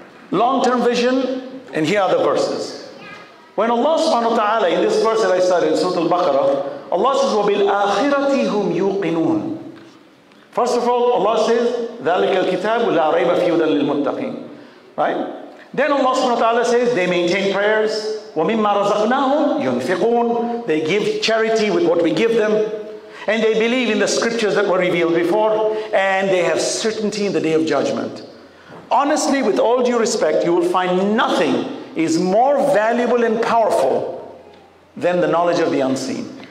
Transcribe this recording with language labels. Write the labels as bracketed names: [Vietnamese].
[English] Long-term vision, and here are the verses. When Allah subhanahu wa ta'ala, in this verse that I started in Surah Al-Baqarah, Allah says, [Arabic] وَبِالْآخِرَةِ هُمْ يُوقِنُونَ. [English] First of all, Allah says, [Arabic] ذَلِكَ الْكِتَابُ لَا رَيْبَ فِي هُدًى لِلْمُتَّقِينَ. [English] Right? Then Allah subhanahu wa ta'ala says, they maintain prayers, [Arabic] وَمِمَّا رَزَقْنَاهُمْ يُنْفِقُونَ. [English] They give charity with what we give them. And they believe in the scriptures that were revealed before. And they have certainty in the day of judgment. Honestly, with all due respect, you will find nothing is more valuable and powerful than the knowledge of the unseen.